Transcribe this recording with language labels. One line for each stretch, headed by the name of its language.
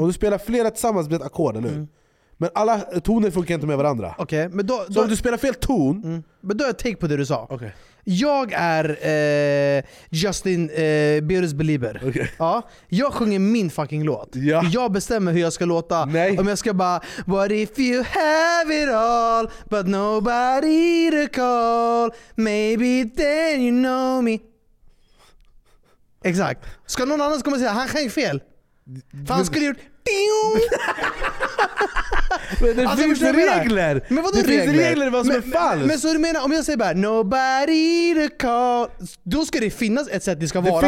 Swedish: Och du spelar flera tillsammans med ett ackord, eller hur? Mm. Men alla toner funkar inte med varandra. Okej, okay, men då... Så om du spelar fel ton... Mm. Men då har jag take på det du sa. Okej. Okay. Jag är Justin Bieber's Belieber.
English: Okay.
Swedish: Ja, jag sjunger min fucking låt. Ja. Jag bestämmer hur jag ska låta. Nej. Om jag ska bara
English: "What if you have it all but nobody to call? Maybe then you know me." Exakt.
Swedish: Ska någon annan komma och säga han sjöng fel? Fan skulle gjort men det finns regler. Men vad är regler? Vad som är falskt? Men så du menar om jag säger bara
English: "nobody to call",
Swedish: då ska det finnas ett sätt det ska vara